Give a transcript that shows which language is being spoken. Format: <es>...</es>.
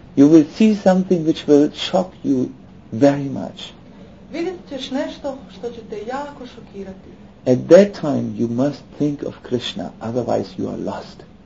<en>You will see something which will shock you very much.</en> <hr>Vidjet ćeš nešto što će te jako šokirati.</hr> <en>At that time you must think of Krishna, otherwise you are lost.</en>